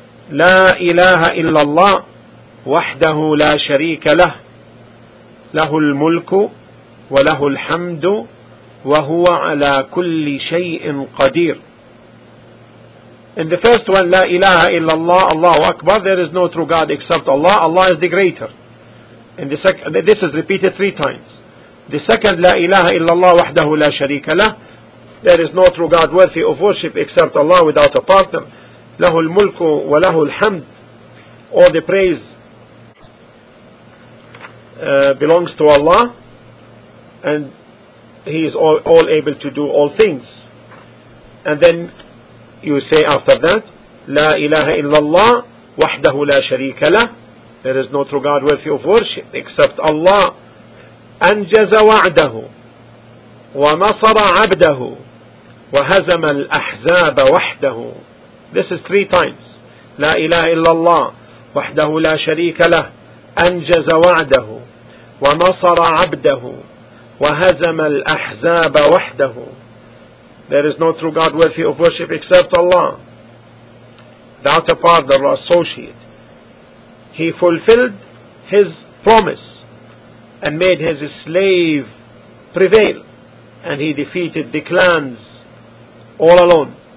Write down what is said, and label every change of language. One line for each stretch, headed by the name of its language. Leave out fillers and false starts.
Arabic: لا إله إلا الله وحده لا شريك له له الملك وله الحمد وهو على كل شيء قدير.
English: In the first one,
Arabic: لا إله إلا الله, الله أكبر,
English: there is no true God except Allah, Allah is the greater. In the second, this is repeated three times. The second,
Arabic: لا إله إلا الله وحده لا شريك له,
English: there is no true God worthy of worship except Allah without a partner.
Arabic: لَهُ الْمُلْكُ وَلَهُ الْحَمْدُ
English: All the praise belongs to Allah, and He is all able to do all things. And then you say after that,
Arabic: لَا إِلَهَ إِلَّا اللَّهِ وَحْدَهُ لَا شَرِيكَ لَهِ
English: There is no true God worthy of worship except Allah.
Arabic: أَنْجَزَ وَعْدَهُ ونصر عبده وهزم الأحزاب وحده.
English: This is three times.
Arabic: لا إله إلا الله وحده لا شريك له. أنجز وعده ونصر عبده وهزم الأحزاب وحده.
English: There is no true God worthy of worship except Allah. Without a father or associate. He fulfilled his promise and made his slave prevail. And he defeated the clans all alone.